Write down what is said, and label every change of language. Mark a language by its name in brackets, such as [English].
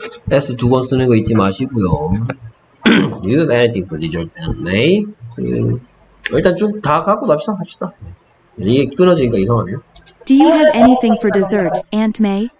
[Korean] S 두 번 쓰는 거 잊지 마시고요. [English] Do you have anything for dessert, Aunt May? [Korean] 일단 쭉 다 갖고 납시다 합시다. 이게 끊어지니까 이상하네요. [English] Do you have anything for dessert, Aunt May?